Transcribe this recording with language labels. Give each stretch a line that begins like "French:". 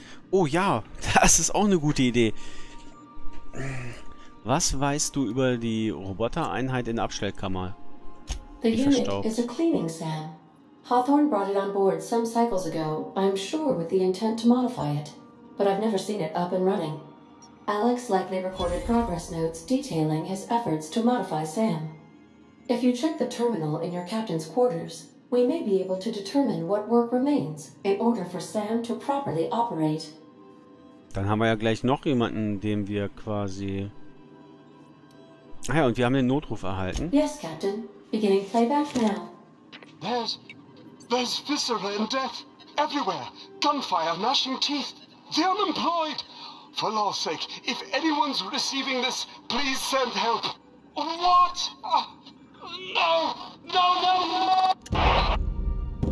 German: Oh ja, das ist auch eine gute Idee. Was weißt du über die Robotereinheit in der Abstellkammer?
English: The unit is a cleaning sam. Hawthorne brought it on board some cycles ago, I'm sure with the intent to modify it. But I've never seen it up and running. Alex likely recorded progress notes detailing his efforts to modify Sam. If you check the terminal in your captain's quarters, we may be able to determine what work remains in order for Sam to properly operate.
German: Dann haben wir ja gleich noch jemanden, dem wir quasi... Ah ja, und wir haben den Notruf erhalten.
English: Yes, Captain. Beginning playback now. There's viscera and death everywhere. Gunfire, gnashing teeth. The unemployed. For law's sake, if anyone's receiving this, please send help. What? No, no, no, no!